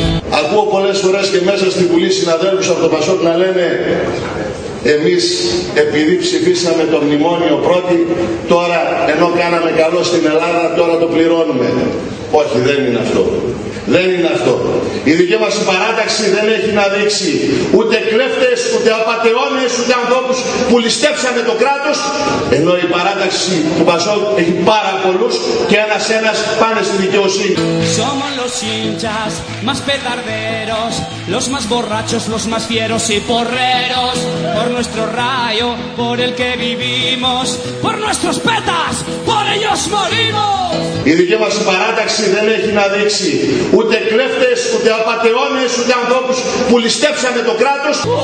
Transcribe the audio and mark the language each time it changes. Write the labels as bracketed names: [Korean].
[Greek] Ακούω πολλές φορές και μέσα στη Βουλή συναδέλφους από το Πασόκ να λένε: εμείς επειδή ψηφίσαμε το μνημόνιο πρώτοι, τώρα ενώ κάναμε καλό στην Ελλάδα, τώρα το πληρώνουμε. Όχι, δεν είναι αυτό. Δεν είναι αυτό. Η δική μας παράταξη δεν έχει να δείξει ούτε κλέφτες, ούτε απατεώνες, ούτε ανθρώπους που ληστέψανε το κράτος. Ενώ η παράταξη του Πασόκ έχει πάρα πολλούς και ένας-ένας πάνε στη δικαιοσύνη. [Spanish] Somos los hinchas, más petarderos, los más borrachos, los más fieros y porreros. Por nuestro rayo, por el que vivimos, por nuestros petas, por ellos morimos. [Greek] Η δική μας παράταξη δεν έχει να δείξει ούτε κλέφτες, ούτε απατεώνες, ούτε ανθρώπους που ληστέψανε το κράτος.